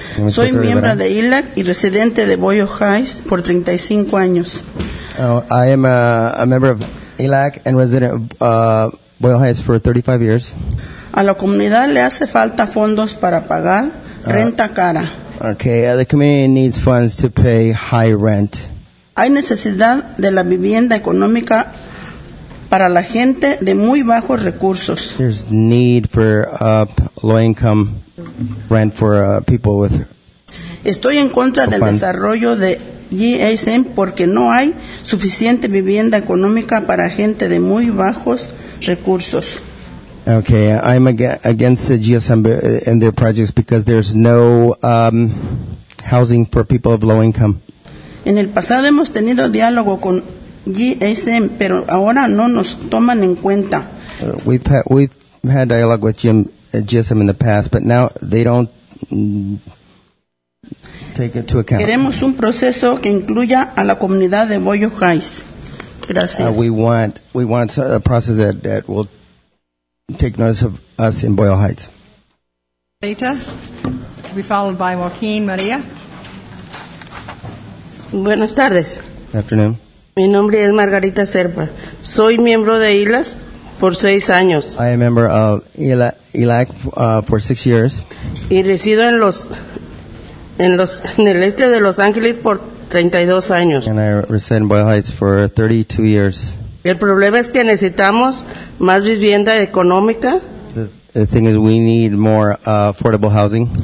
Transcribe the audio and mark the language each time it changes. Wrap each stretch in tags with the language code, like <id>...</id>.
<es>Soy miembro de ILAC y residente de Boyle Heights por 35 años.</es> <en>I am a member of ILAC and resident of Boyle Heights for 35 years.</en> <es>A la comunidad le hace falta fondos para pagar renta cara.</es> <en>Okay, the community needs funds to pay high rent.</en> <es>Hay necesidad de la vivienda económica para la gente de muy bajos recursos.</es> <en>There's need for low income rent for people with.</en> <es>Estoy en contra del desarrollo de GSM porque no hay suficiente vivienda económica para gente de muy bajos recursos.</es> <en>Okay, I'm against the GSM and their projects because there's no housing for people of low income.</en> <es>En el pasado hemos tenido diálogo con GSM, pero ahora no nos toman en cuenta.</es> <en>We've had dialogue with GSM in the past, but now they don't take it to account.</en> <es>Queremos un proceso que incluya a la comunidad de Boyle Heights. Gracias.</es> <en>We want a process that will take notice of us in Boyle Heights. Beta, to be followed by Joaquin Maria.</en> <es>Buenas tardes.</es> <en>Good afternoon.</en> <es>Mi nombre es Margarita Serpa. Soy miembro de ILAC por 6 años.</es> <en>I am a member of ILAC for 6 years.</en> <es>Y resido en el este de Los Ángeles por 32 años.</es> <en>And I reside in Boyle Heights for 32 years.</en> <es>El problema es que necesitamos más vivienda económica.</es> <en>The thing is we need more affordable housing.</en>